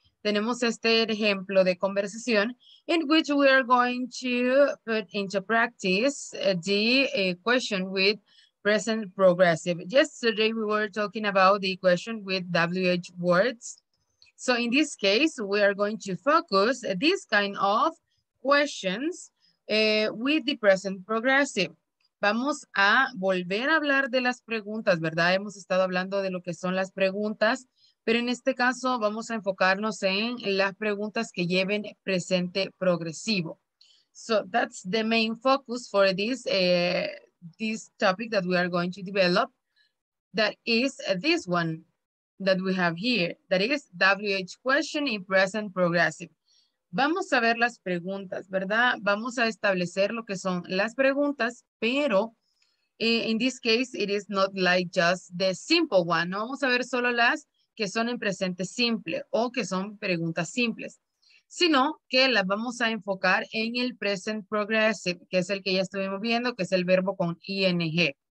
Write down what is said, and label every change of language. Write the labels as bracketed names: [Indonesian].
[Spanish] Tenemos este ejemplo de conversación [English] in which we are going to put into practice the question with present progressive. Yesterday we were talking about the question with WH words. So in this case, we are going to focus this kind of questions with the present progressive. [Spanish] Vamos a volver a hablar de las preguntas, ¿verdad? Hemos estado hablando de lo que son las preguntas, pero en este caso vamos a enfocarnos en las preguntas que lleven presente progresivo. [English] So that's the main focus for this this topic that we are going to develop, that is this one that we have here, that is WH question in present progressive. [Spanish] Vamos a ver las preguntas, ¿verdad? Vamos a establecer lo que son las preguntas, pero [English] in this case, it is not like just the simple one. [Spanish] No vamos a ver solo las que son en presente simple o que son preguntas simples, sino que las vamos a enfocar en el present progressive, que es el que ya estuvimos viendo, que es el verbo con ing.